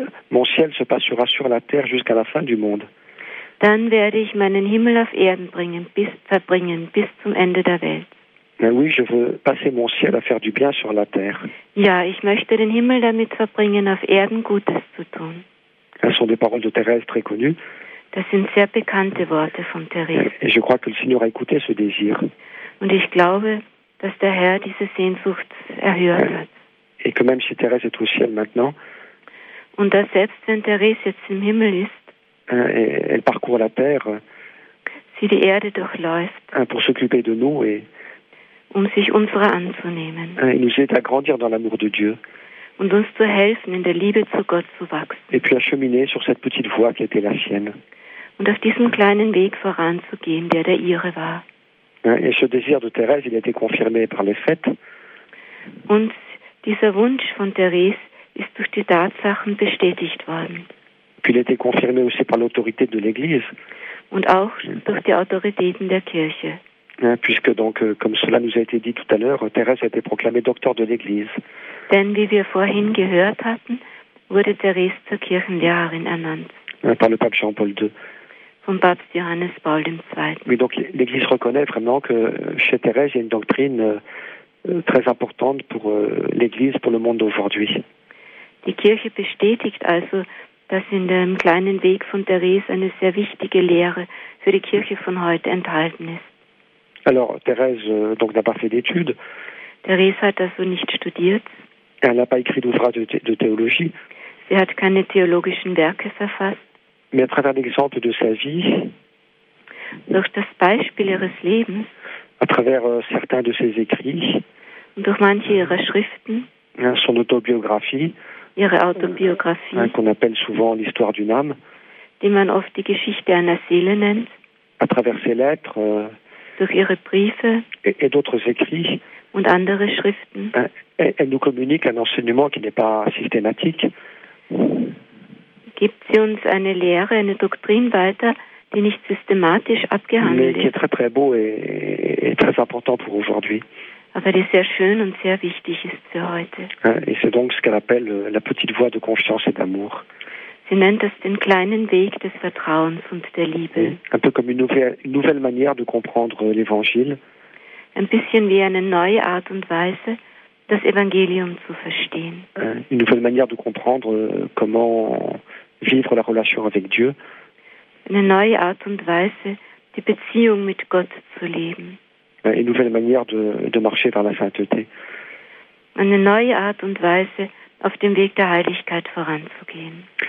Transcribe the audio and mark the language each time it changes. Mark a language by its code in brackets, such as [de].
[fr] Mon ciel se passera sur la terre jusqu'à la fin du monde. [de] Dann werde ich meinen Himmel auf Erden bringen, bis zum Ende der Welt. [fr] Oui, je veux passer mon ciel à faire du bien sur la terre. [de] Ja, ich möchte den Himmel damit verbringen, auf Erden Gutes zu tun. Das sind die Worte von Thérèse, [fr] très connues. [de] Das sind sehr bekannte Worte von Thérèse. [fr] Et je crois que le Seigneur a écouté ce désir. [de] Und ich glaube, dass der Herr diese Sehnsucht erhört hat. [fr] Et que même si Thérèse est au ciel maintenant, [de] und dass selbst wenn Thérèse jetzt im Himmel ist, [fr] elle parcourt la terre, [de] sie die Erde durchläuft, [fr] pour s'occuper de nous et [de] um sich unserer anzunehmen. [fr] Et nous aider à grandir dans l'amour de Dieu. [de] Und uns zu helfen, in der Liebe zu Gott zu wachsen. [fr] Et puis à cheminer sur cette petite voie qui était la sienne. [de] Und auf diesem kleinen Weg voranzugehen, der ihre war. [fr] Et ce désir de Thérèse, il a été confirmé par les faits. [de] Und dieser Wunsch von Thérèse ist durch die Tatsachen bestätigt worden. [fr] Puis il a été confirmé aussi par l'autorité de l'Église. [de] Und auch durch die Autoritäten der Kirche. [fr] Puisque donc, comme cela nous a été dit tout à l'heure, Thérèse a été proclamée docteur de l'Église. [de] Denn wie wir vorhin gehört hatten, wurde Thérèse zur Kirchenlehrerin ernannt. [fr] Par le pape Jean-Paul II. [de] Vom Papst Johannes Paul II. [fr] Oui, donc l'Église reconnaît vraiment que chez Thérèse, il y a une doctrine très importante pour l'Église, pour le monde d'aujourd'hui. [de] Die Kirche bestätigt also, dass in dem kleinen Weg von Thérèse eine sehr wichtige Lehre für die Kirche von heute enthalten ist. [fr] Alors, Thérèse donc n'a pas fait d'études. [de] Thérèse hat also nicht studiert. [fr] Elle n'a pas écrit d'ouvrage de théologie. [de] Sie hat keine theologischen Werke verfasst. [fr] Mais à travers l'exemple de sa vie. [de] Durch das Beispiel ihres Lebens. [fr] À travers certains de ses écrits. [de] Und durch manche ihrer Schriften. [fr] Son autobiographie. [de] Ihre Autobiographie. [fr] Qu'on appelle souvent l'histoire d'une âme. [de] Die man oft die Geschichte einer Seele nennt. [fr] À travers ses lettres. [de] Durch ihre Briefe [fr] et d'autres écrits [de] und andere Schriften. [fr] Elle nous communique un enseignement qui n'est pas systématique. [de] Gibt sie uns eine Lehre, eine Doktrin weiter, die nicht systematisch abgehandelt [fr] mais qui est très très beau et très important pour aujourd'hui. [de] Aber die sehr schön und sehr wichtig ist für heute. [fr] Et c'est donc ce qu'elle appelle la petite voie de confiance et d'amour. [de] Sie nennt es den kleinen Weg des Vertrauens und der Liebe. [fr] Un peu comme une nouvelle manière de comprendre l'Évangile. [de] Ein bisschen wie eine neue Art und Weise, das Evangelium zu verstehen. [fr] Une nouvelle manière de comprendre comment vivre la relation avec Dieu. [de] Eine neue Art und Weise, die Beziehung mit Gott zu leben. [fr] Une nouvelle manière de marcher vers la sainteté. [de] Eine neue Art und Weise, auf dem Weg der Heiligkeit voranzugehen.